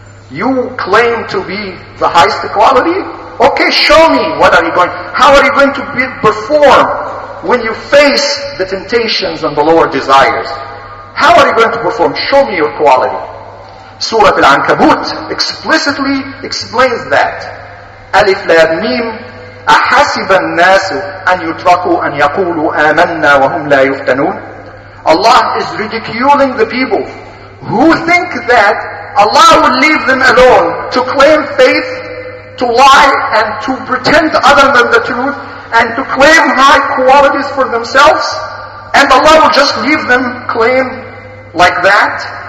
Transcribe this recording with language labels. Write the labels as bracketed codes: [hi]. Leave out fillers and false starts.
[en] You claim to be the highest quality? Okay, show me. How are you going to perform when you face the temptations and the lower desires? How are you going to perform? Show me your quality. Surah Al-Ankabut explicitly explains that. [ar] Alif Lam Mim, أَحَسِبَ النَّاسُ أَنْ يُتْرَكُوا أَنْ يَقُولُوا آمَنَّا وَهُمْ لَا يُفْتَنُونَ. [en] Allah is ridiculing the people who think that Allah will leave them alone to claim faith, to lie and to pretend other than the truth, and to claim high qualities for themselves, and Allah will just leave them claim like that.